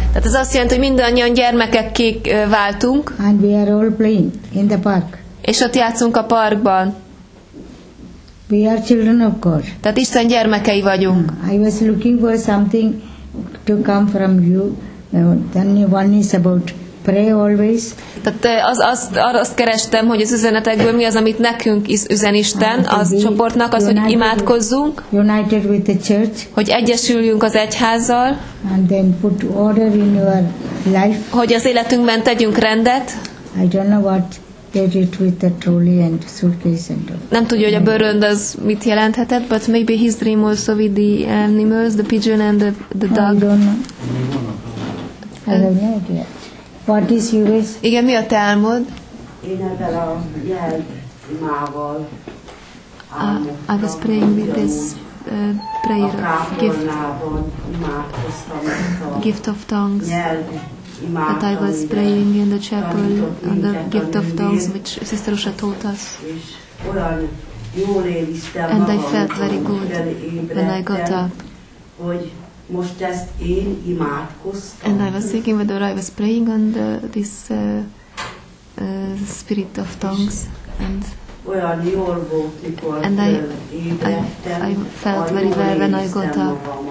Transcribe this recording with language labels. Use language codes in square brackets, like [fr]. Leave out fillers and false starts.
[hu] Tehát ez azt jelenti, hogy mindannyian gyermekekké váltunk. [en] And we are all playing in the park. [hu] És ott játszunk a parkban. [en] We are children of God. [hu] Tehát Isten gyermekei vagyunk. [en] I was looking for something to come from you. Then one is about pray always. [hu] Tehát azt kerestem, hogy az üzenetekből mi az, amit nekünk üzen Isten, az csoportnak, az, hogy imádkozzunk, [en] united with the church, [hu] hogy egyesüljünk az egyházzal, [en] and then put order in your life. [hu] Hogy az életünkben tegyünk rendet. [en] I don't know what they did with the trolley and suitcase and all. [hu] Nem tudja, hogy a bőrönd az mit jelenthetett, [en] but maybe his dream also with the animals, the pigeon and the dog. I don't know. I have no idea. What is yours? [hu] Igen, mi a te álmod? Én ezzel a jelmával álmodtam. [en] I was praying with this prayer of gift. [hu] A kápolnában imádkoztam ezt a [en] gift of tongues. That I was praying in the chapel on the gift of tongues, which Sister Usha taught us. And I felt very good when I got up. [hu] Most ezt én imádkoztam. [en] And I was thinking whether I was praying on the spirit of tongues. And [hu] olyan jól volt, mikor ébredtem. [en] I felt very well when I got up.